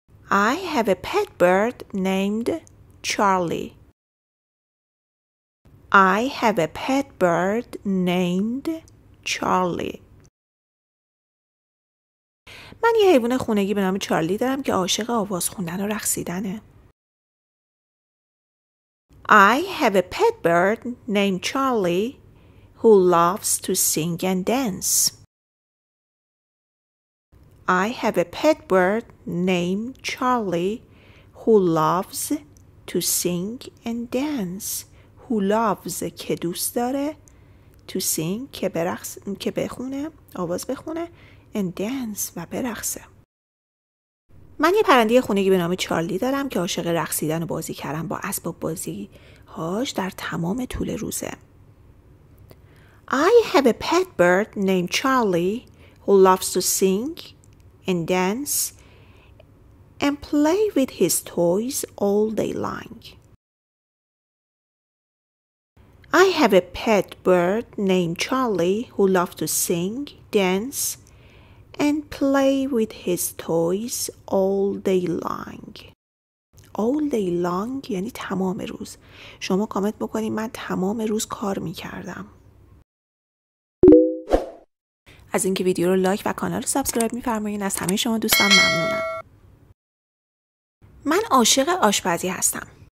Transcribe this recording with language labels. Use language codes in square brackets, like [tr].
[en] I have a pet bird named Charlie. I have a pet bird named Charlie. [fa] من یه حیوان خونگی به نام چارلی دارم که عاشق آواز خوندن و رقصیدنه. [en] I have a pet bird named Charlie who loves to sing and dance. I have a pet bird named Charlie who loves to sing and dance. Who loves [fa] که دوست داره [en] to sing [fa] که برقص که بخونه آواز بخونه [en] and dance [fa] و برقصه. من یه پرنده خونگی به نام چارلی دارم که عاشق رقصیدن و بازی کردن با اسباب بازی هاش در تمام طول روزه. [en] I have a pet bird named Charlie who loves to sing and dance and play with his toys all day long. I have a pet bird named Charlie who loves to sing, dance and play with his toys all day long. All day long [fa] یعنی تمام روز. شما کامنت بکنید من تمام روز کار میکردم. از اینکه ویدیو رو لایک و کانال رو سابسکرایب میفرمایین از همه شما دوستان ممنونم. من عاشق آشپزی هستم.